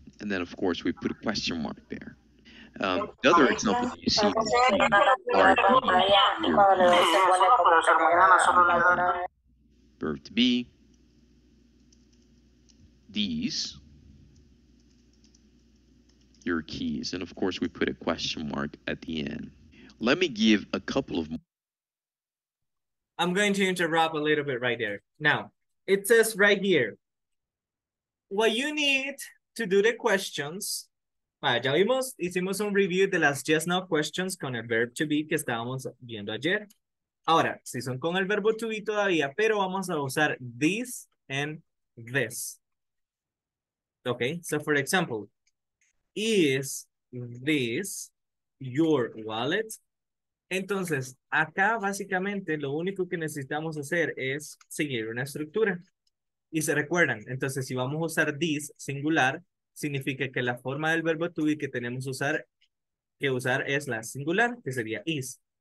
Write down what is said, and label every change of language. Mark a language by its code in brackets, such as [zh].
[en] And then, of course, we put a question mark there. The other example that you see on the screen are your verb to be, these, your keys. And, of course, we put a question mark at the end. Let me give a couple of more. I'm going to interrupt a little bit right there. Now, it says right here, what you need to do the questions. [es] Ah, ya vimos, hicimos un review de las [en] yes, no questions [es] con el [en] verb to be [es] que estábamos viendo ayer. Ahora, si son con el verbo to be todavía, pero vamos a usar [en] this and this. Okay, so for example, is this your wallet? [es] Entonces, acá básicamente lo único que necesitamos hacer es seguir una estructura. Y se recuerdan, entonces si vamos a usar this singular, significa que la forma del verbo to be que tenemos que usar es la singular, que sería is.